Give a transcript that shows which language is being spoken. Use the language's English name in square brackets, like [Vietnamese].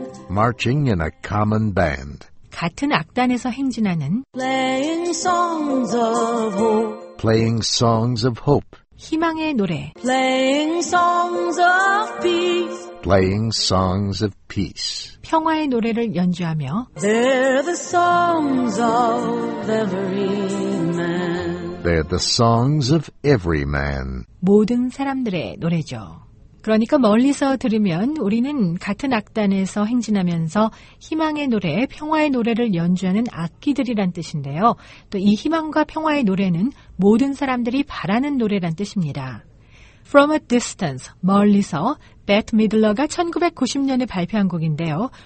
[English] Marching in a common band. [Korean] 같은 악단에서 행진하는 [English] Playing songs of hope. Playing songs of hope. [Korean] 희망의 노래 [English] Playing songs of peace. Playing songs of peace. [Korean] 평화의 노래를 연주하며 [English] They're the songs of every man. They're the songs of every man. [Korean] 모든 사람들의 노래죠. 그러니까 멀리서 들으면 우리는 같은 악단에서 행진하면서 희망의 노래, 평화의 노래를 연주하는 악기들이란 뜻인데요. 또 이 희망과 평화의 노래는 모든 사람들이 바라는 노래란 뜻입니다. [English] From a distance, [Korean] 멀리서, Bette Midler가 1990년에 발표한 곡인데요.